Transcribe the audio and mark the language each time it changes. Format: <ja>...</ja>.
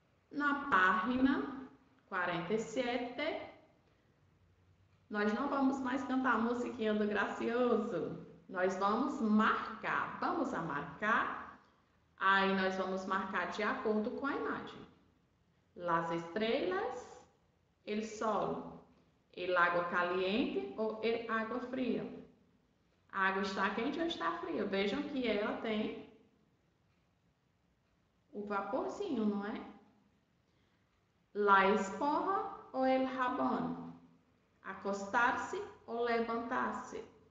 <pt>Na página 47, nós não vamos mais cantar a musiquinha do Gracioso. Nós vamos marcar.</pt> <es>Vamos a marcar.</es> <pt>Aí nós vamos marcar de acordo com a imagem.</pt> <es>Las estrellas, el sol, el agua caliente</es> <pt>ou</pt> <es>el agua fria.</es> <pt>A água está quente ou está fria? Vejam que ela tem o vaporzinho, não é?</pt> <es>La esponja ou el jabón?</es> <pt>Acostar-se ou levantar-se?</pt>